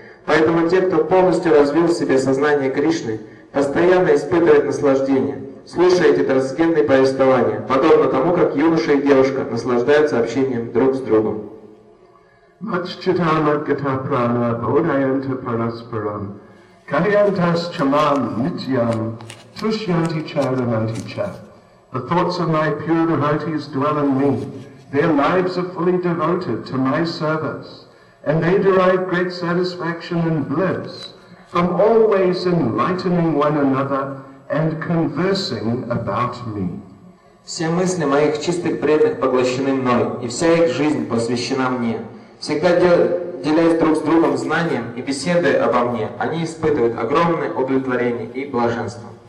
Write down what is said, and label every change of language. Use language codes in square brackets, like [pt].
[ru] Поэтому те, кто полностью развил в себе сознание Кришны, постоянно испытывают наслаждение, слушая эти трансцендентные повествования, подобно тому, как юноша и девушка наслаждаются общением друг с другом. [sa] Мат-читамат-гатапрана-бодаянта-параспарам, кариянтас-чамам-нитьям, Tushyanti Charanti Cha. [en] The thoughts of my pure devotees dwell in me. Their lives are fully devoted to my service, and they derive great satisfaction and bliss from always enlightening one another and conversing about me. [ru] Все мысли моих чистых преданных поглощены мной, и вся их жизнь посвящена мне. Всегда делясь друг с другом знанием и беседуя обо мне, они испытывают огромное удовлетворение и блаженство.